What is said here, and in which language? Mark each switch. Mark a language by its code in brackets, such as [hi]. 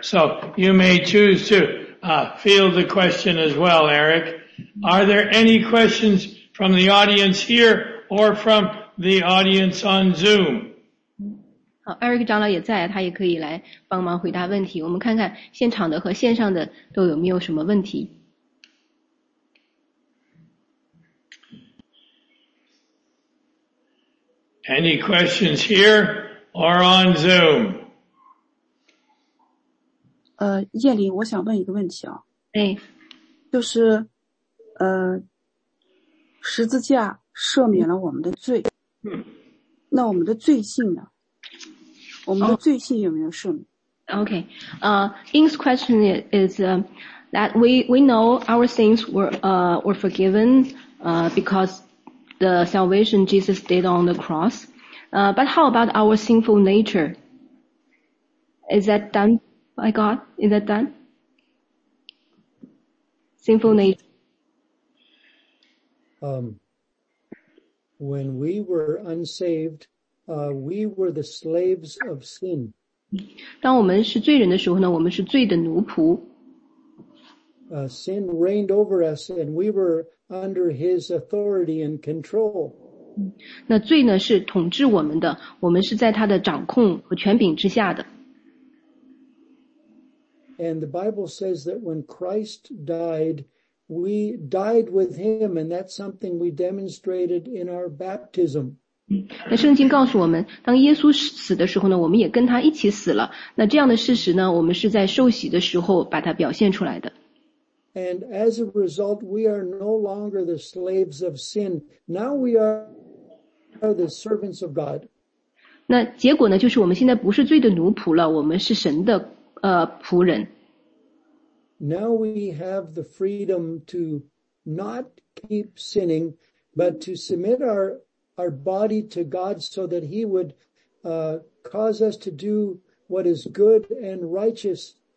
[en] So you may choose to field the question as well, Eric. Are there any questions from the audience here or from the audience on Zoom? [zh] 好 ，Eric 长老也在，他也可以来帮忙回答问题。我们看看现场的和线上的都有没有什么问题。 [en] Any questions here or on Zoom? [zh] 叶琳，我想问一个问题啊。哎，就是，十字架赦免了我们的罪。那我们的罪性呢？我们的罪性有没有赦免 [en] ？Okay. Ing's question is that we know our sins were forgiven because the salvation Jesus did on the cross. But how about our sinful nature? Is that done by God? Is that done? Sinful nature. When we were unsaved, we were the slaves of sin. [zh] 当我们是罪人的时候呢，我们是罪的奴仆。 [en] Sin reigned over us, and we were under His authority and control. [zh] 那罪呢是统治我们的，我们是在他的掌控和权柄之下的。 [en] And the Bible says that when Christ died, we died with Him, and that's something we demonstrated in our baptism. [zh] 那圣经告诉我们，当耶稣死的时候呢，我们也跟他一起死了。那这样的事实呢，我们是在受洗的时候把它表现出来的。 [en] And as a result, we are no longer the slaves of sin. Now we are the servants of God. [zh] 那结果呢，就是我们现在不是罪的奴仆了，我们是神的仆人。 [en] Now we have the freedom to not keep sinning, but to submit our body to God so that He would cause us to do what is good and righteous.